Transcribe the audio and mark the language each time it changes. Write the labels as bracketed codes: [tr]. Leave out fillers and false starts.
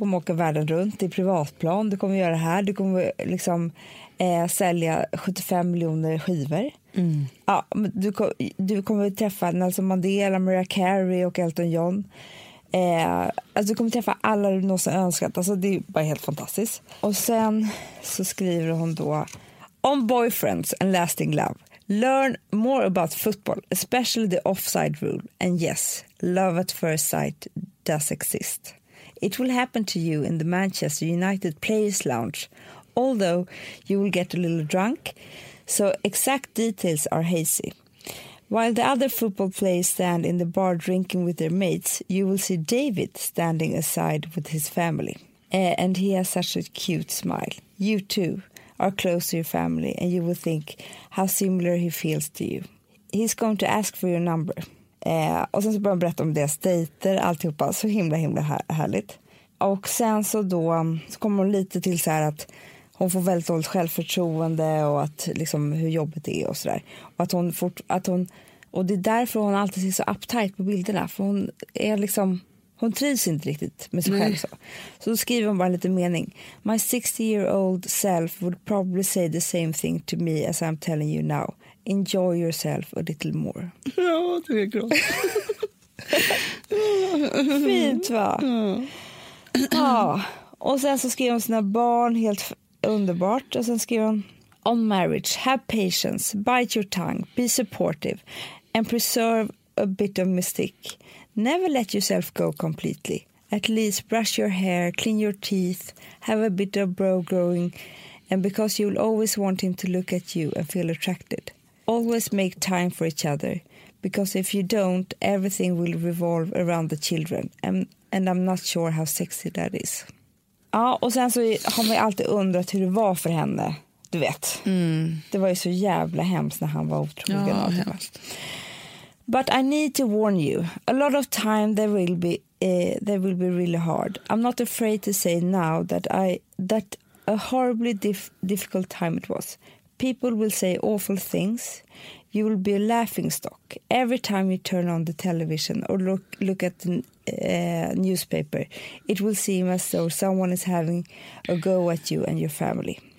[sv] Du kommer åka världen runt i privatplan, du kommer göra det här, du kommer liksom sälja 75 miljoner skivor. Mm. Ja, du kommer träffa Nelson Mandela, Mariah Carey och Elton John. Alltså du kommer träffa alla du någonsin önskat, alltså det är bara helt fantastiskt. Och sen så skriver hon då [en] on boyfriends and lasting love. Learn more about football, especially the offside rule. And yes, love at first sight does exist. It will happen to you in the Manchester United Players Lounge, although you will get a little drunk, so exact details are hazy. While the other football players stand in the bar drinking with their mates, you will see David standing aside with his family. And he has such a cute smile. You too are close to your family, and you will think how similar he feels to you. He's going to ask for your number. [sv] Och sen så börjar han berätta om deras dejter, alltihopa, så himla himla härligt. Och sen så då så kommer hon lite till så här att hon får väldigt dåligt självförtroende och att liksom hur jobbigt det är och sådär. Och att och det är därför hon alltid ser så uptight på bilderna, för hon är liksom, hon trivs inte riktigt med sig själv. Så. Så då skriver hon bara lite mening. [en] My 60-year-old self would probably say the same thing to me as I'm telling you now. Enjoy yourself a little more. [sv] Ja, det är grått. Fint, va? Mm. Ja. Och sen så skriver hon sina barn helt underbart. Och sen skriver hon [en] on marriage, have patience, bite your tongue, be supportive and preserve a bit of mystique. Never let yourself go completely. At least brush your hair, clean your teeth, have a bit of brow growing, and because you'll always want him to look at you and feel attracted. Always make time for each other, because if you don't, everything will revolve around the children, and I'm not sure how sexy that is. [sv] Ja, och sen så har man alltid undrat hur det var för henne, du vet. Mm. Det var ju så jävla hemskt när han var otrogen. Ja, hemskt. [en] But I need to warn you. A lot of time there will be really hard. I'm not afraid to say now that a horribly difficult time it was. People will say awful things. You will be a laughingstock. Every time you turn on the television or look at the newspaper, it will seem as though someone is having a go at you and your family.